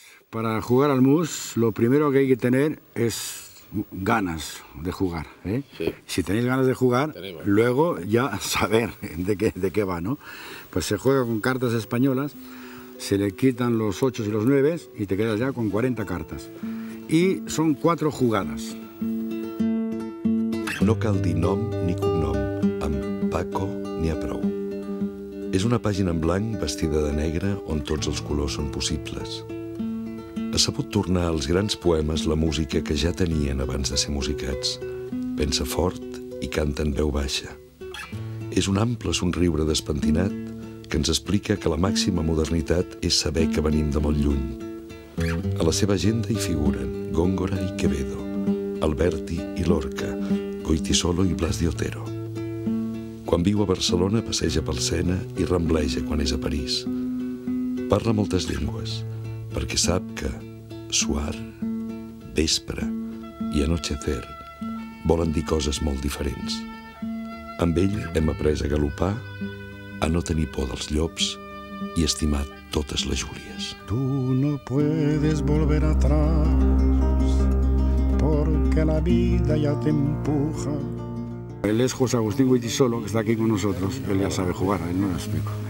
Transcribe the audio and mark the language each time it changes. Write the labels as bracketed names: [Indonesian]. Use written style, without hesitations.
[Spanish] Para jugar al mus, lo primero que hay que tener es ganas de jugar, ¿eh? Sí. Si tenéis ganas de jugar, Tenemos. luego ya saber de qué va, ¿no? Pues se juega con cartas españolas, se le quitan los 8 y los 9 y te quedas ya con 40 cartas. Y son 4 jugadas. [Catalan] No cal dir nom ni cognom, amb Paco n'hi ha prou. És una pàgina en blanc vestida de negre on tots els colors són possibles. Ha sabut tornar als grans poemes la música que ja tenien abans de ser musicats. Pensa fort i canta en veu baixa. És un ample somriure despentinat que ens explica que la màxima modernitat és saber que venim de molt lluny. A la seva agenda hi figuren Góngora i Quevedo, Alberti i Lorca, Goytisolo i Blas de Otero. Quan viu a Barcelona, passeja pel Sena i rambleja quan és a París. Parla moltes llengües, perquè sap que suar, vespre i anochecer volen dir coses molt diferents. Amb ell hem après a galopar, a no tenir por dels llops i estimar totes les Júlies. [Spanish] Tu no puedes volver atrás porque la vida ya te empuja. Él es José Agustín Goytisolo, que está aquí con nosotros. Él ya sabe jugar, él no lo explico.